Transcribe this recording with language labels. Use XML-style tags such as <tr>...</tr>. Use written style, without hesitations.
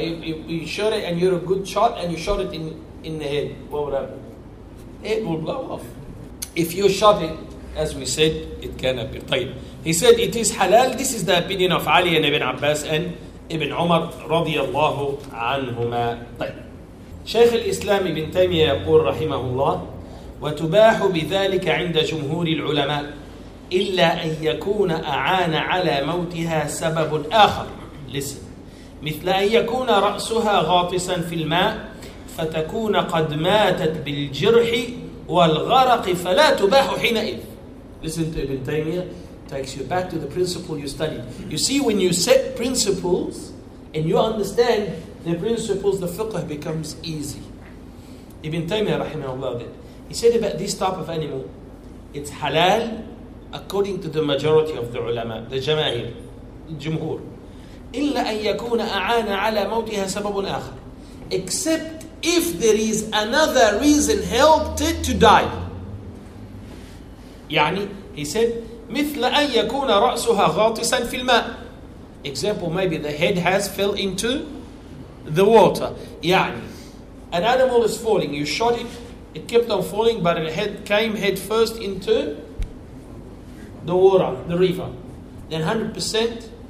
<en>You shot it and you're a good shot and you shot it in the head, what would happen? It will blow off. If you shot it, as we said, it cannot be tayyib. He said it is halal. This is the opinion of Ali and Ibn Abbas and Ibn Umar radiallahu anhuma.</en> <ar>Shaykh al-Islam Ibn Taymiyyah yaqul rahimahullah, وتباح بذلك عند جمهور العلماء إلا أن يكون أعان على موتها سبب آخر.</ar> <en>Listen.</en> <ar>مثل أن يكون رأسها غاطسا في الماء فتكون قد ماتت بالجرح والغرق فلا تباح حينئذ.</ar> <en>Listen to Ibn Taymiyyah. Takes you back to the principle you studied. You see, when you set principles and you understand the principles, the fiqh becomes easy. Ibn Taymiyyah rahimahullah, he said about this type of animal, it's halal according to the majority of the ulama, the jamaahir, jumhur.</en> <ar>إِلَّا أَن يَكُونَ أَعَانَ عَلَى مَوْتِهَا سَبَبٌ آخَرٌ.</ar> <en>Except if there is another reason helped it to die.</en> <ar>يعني,</ar> <en>he said,</en> <ar>مِثْلَ أَن يَكُونَ رَأْسُهَا غَاطِسًا فِي الْمَاءِ.</ar> <en>Example, maybe the head has fell into the water. يعني, an animal is falling, you shot it, it kept on falling, but it came head first into the water, the river. Then 100%,</en>